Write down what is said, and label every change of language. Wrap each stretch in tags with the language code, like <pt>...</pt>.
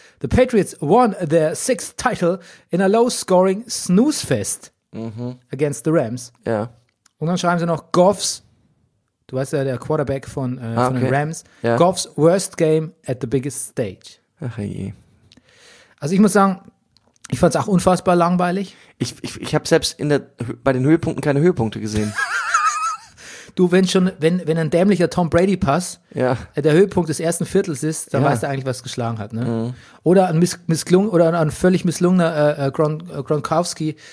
<en>The Patriots won their sixth title in a low-scoring snooze-fest against the Rams.</en> <de>Ja. Und dann schreiben sie noch Goffs, du weißt ja, der Quarterback von den Rams, ja.</de> <en>Goffs worst game at the biggest stage.</en> <de>Ach je. Also ich muss sagen, ich fand's auch unfassbar langweilig. Ich habe selbst bei den Höhepunkten keine Höhepunkte gesehen. Du, wenn ein dämlicher Tom Brady Pass der Höhepunkt des ersten Viertels ist, dann weißt du eigentlich, was geschlagen hat, ne? Mhm. Oder ein völlig misslungener Gronkowski</de>